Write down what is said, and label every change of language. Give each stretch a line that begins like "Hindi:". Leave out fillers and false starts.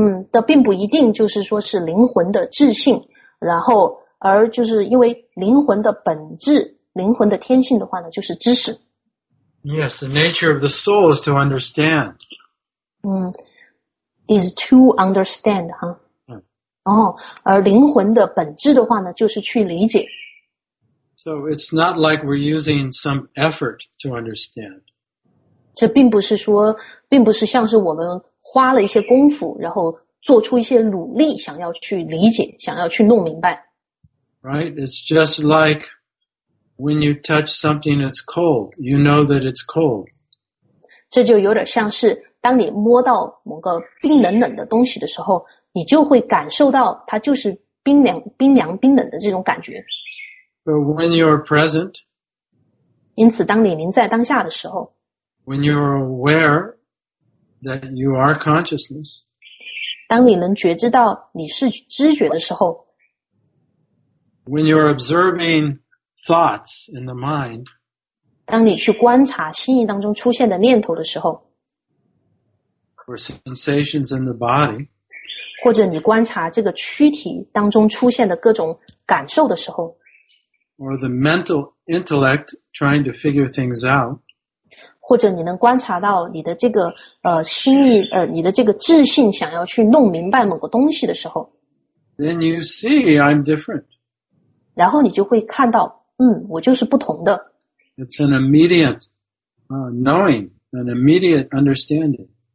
Chinese: 的并不一定就是说是灵魂的智性，然后而就是因为灵魂的本质，灵魂的天性的话呢就是知识。
English: Yes, the nature of the soul is to understand. Is to understand, huh?
Chinese: 而灵魂的本质的话呢，就是去理解。
English: So it's not like we're using some effort to understand.
Chinese: 这并不是说，并不是像是我们花了一些功夫，然后做出一些努力，想要去理解，想要去弄明白。
English: Right? It's just like when you touch something that's cold, you know that it's cold.
Chinese: 这就有点像是当你摸到某个冰冷冷的东西的时候，你就会感受到它就是冰凉、冰凉、冰冷的这种感觉。
English: But when you're present,
Chinese: 因此当你临在当下的时候
English: ，when you're aware that you are consciousness,
Chinese: 当你能觉知到你是知觉的时候
English: ，when you're observing thoughts in the mind,
Chinese: 当你去观察心意当中出现的念头的时候。
English: Or sensations in the body,
Chinese: 或者你观察这个躯体当中出现的各种感受的时候
English: or the mental intellect trying to figure things out,
Chinese: 或者你能观察到你的这个心意你的这个智性想要去弄明白某个东西的时候
English: then you see I'm different.
Chinese: 然后你就会看到我就是不同的
English: It's an immediate knowing, an immediate understanding.